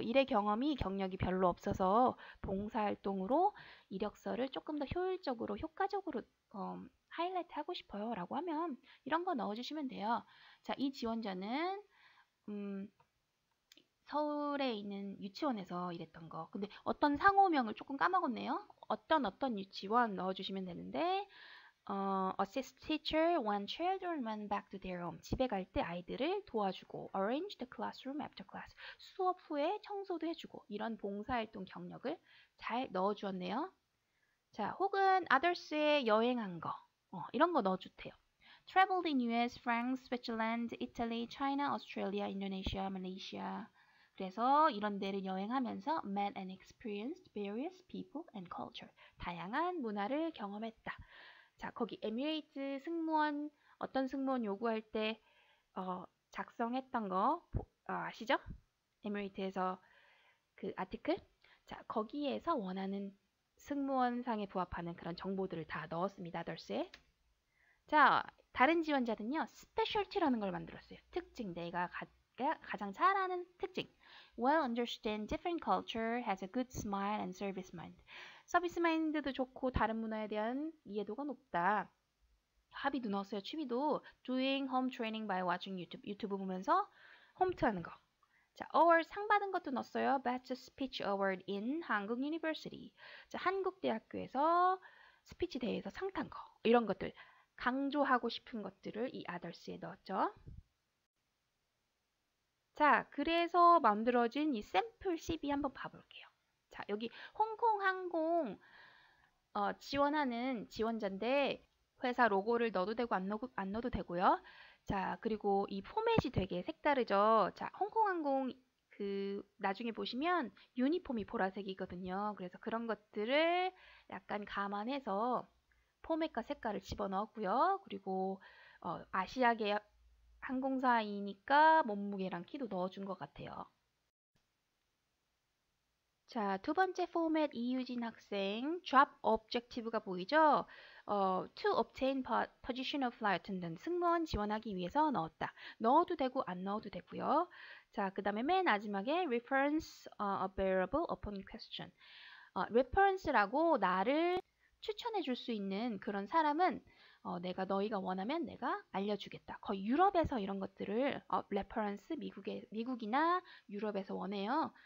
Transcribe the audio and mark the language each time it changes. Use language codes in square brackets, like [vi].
[ko] 일의 경험이 경력이 별로 없어서 봉사활동으로 이력서를 조금 더 효율적으로, 효과적으로 하이라이트 하고 싶어요라고 하면 이런 거 넣어주시면 돼요. 자, 이 지원자는 서울에 있는 유치원에서 일했던 거. 근데 어떤 상호명을 조금 까먹었네요. 어떤 유치원 넣어주시면 되는데. [en] Assist teacher when children went back to their home. [ko] 집에 갈때 아이들을 도와주고, [en] arrange the classroom after class. [ko] 수업 후에 청소도 해주고, 이런 봉사활동 경력을 잘 넣어주었네요. 자, 혹은 others의 여행한 거. 이런 거 넣어주세요. [en] Traveled in US, France, Switzerland, Italy, China, Australia, Indonesia, Malaysia. [ko] 그래서 이런 데를 여행하면서 [en] met and experienced various people and culture. [ko] 다양한 문화를 경험했다. 자, 거기 에미레이트 승무원, 어떤 승무원 요구할 때 작성했던 거 아시죠? 에미레이트에서 그 아티클. 자, 거기에서 원하는 승무원상에 부합하는 그런 정보들을 다 넣었습니다. others에. 자, 다른 지원자는요, 스페셜티라는 걸 만들었어요. 특징, 내가 가장 잘하는 특징. [en] Well understand different culture, has a good smile and service mind. [ko] 서비스 마인드도 좋고 다른 문화에 대한 이해도가 높다. 합의도 넣었어요. 취미도 [en] doing home training by watching YouTube. [ko] 유튜브 보면서 홈트 하는 거. 자, award 상 받은 것도 넣었어요. [en] Best speech award in 한국 university. [ko] 자, 한국 대학교에서 스피치 대회에서 상탄 거. 이런 것들 강조하고 싶은 것들을 이 others에 넣었죠. 자, 그래서 만들어진 이 샘플 CV 한번 봐볼게요. 자, 여기 홍콩 항공 지원하는 지원자인데 회사 로고를 넣어도 되고 안 넣어도 되고요. 자, 그리고 이 포맷이 되게 색다르죠. 자, 홍콩항공 그 나중에 보시면 유니폼이 보라색이거든요. 그래서 그런 것들을 약간 감안해서 포맷과 색깔을 집어넣었고요. 그리고 아시아계 항공사이니까 몸무게랑 키도 넣어준 것 같아요. 자, 두 번째 포맷 이유진 학생 job objective가 보이죠? [en] To obtain position of flight attendant [ko] 승무원 지원하기 위해서 넣었다. 넣어도 되고 안 넣어도 되고요. 자, 그 다음에 맨 마지막에 [en] reference available upon question. [ko] reference라고 나를 추천해 줄수 있는 그런 사람은 내가 너희가 원하면 내가 알려주겠다. 거의 유럽에서 이런 것들을 reference 미국이나 유럽에서 원해요.